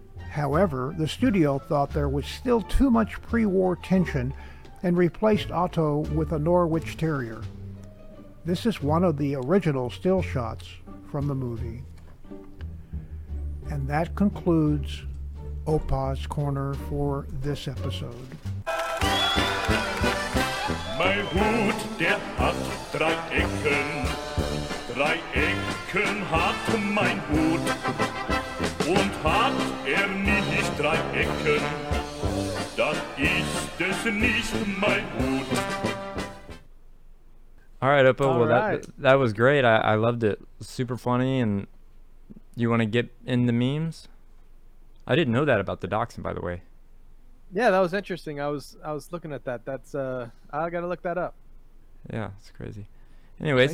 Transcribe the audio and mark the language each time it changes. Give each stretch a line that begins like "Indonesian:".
English: However, the studio thought there was still too much pre-war tension and replaced Otto with a Norwich Terrier. This is one of the original still shots from the movie. And that concludes Opa's Corner for this episode.
German: My Hut, der hat drei Ecken. Drei Ecken hat mein Hut. Und hat nicht drei Ecken, dann ist es nicht mein Hut.
English: All right, Opa, that was great. I loved it. Super funny. And you want to get in the memes? I didn't know that about the dachshund, by the way. Yeah, that was interesting. I was looking at that. That's I gotta look that up. Yeah, it's crazy. Anyways,